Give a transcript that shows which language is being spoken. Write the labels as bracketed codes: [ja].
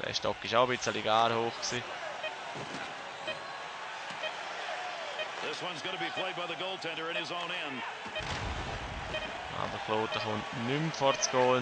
[de] Der Stock ist auch ein bisschen gar hoch gewesen. [en] This one's gonna be played by the goaltender in his own end. [de] Aber Kloten kommt nicht mehr vor das Goal.